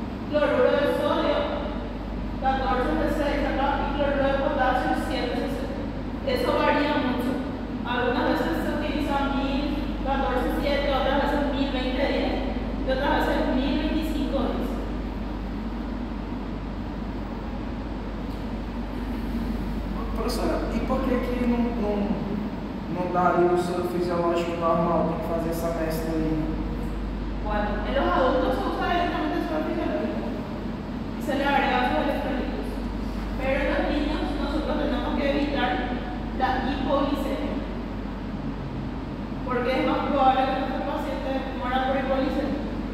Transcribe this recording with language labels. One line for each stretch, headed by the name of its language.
Spanish: Cloruro de sodio, 14.6 acá, y cloruro de potasio, 7.60. Eso varía mucho. Algunas veces se utiliza 1014.7, otras veces 1020.10 y otras veces 1025.10.
Portuguese: Professora, e por que que não dá o soro fisiológico normal, tem que fazer essa mescla aí?
Spanish: Bueno, en los adultos se usa directamente soro fisiológico y se le agrega sus electrolitos. Pero en los niños nosotros tenemos que evitar la hipoglicemia, porque es más probable que nuestro paciente muera por hipoglicemia.